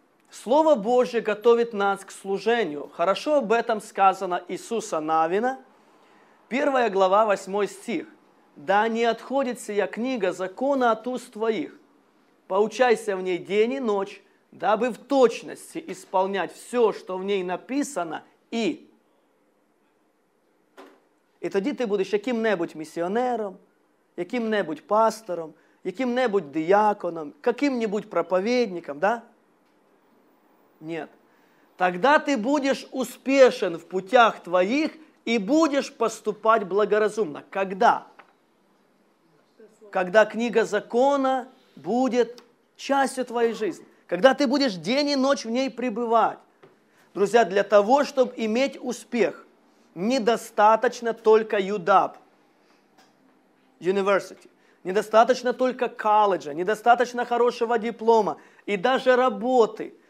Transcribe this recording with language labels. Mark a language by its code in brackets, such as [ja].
[ru] Слово Божье готовит нас к служению. Хорошо об этом сказано Иисуса Навина, 1 глава, 8 стих. «Да не отходит сия книга закона от уст твоих, поучайся в ней день и ночь, дабы в точности исполнять все, что в ней написано, и...» [uk] И тоді ти будеш яким-небудь місіонером, яким-небудь пастором, яким-небудь діаконом, яким-небудь проповедником, да? [ru] Нет. Тогда ты будешь успешен в путях твоих и будешь поступать благоразумно. Когда? Когда книга закона будет частью твоей жизни. Когда ты будешь день и ночь в ней пребывать. Друзья, для того, чтобы иметь успех, недостаточно только UW, University, недостаточно только колледжа, недостаточно хорошего диплома и даже работы.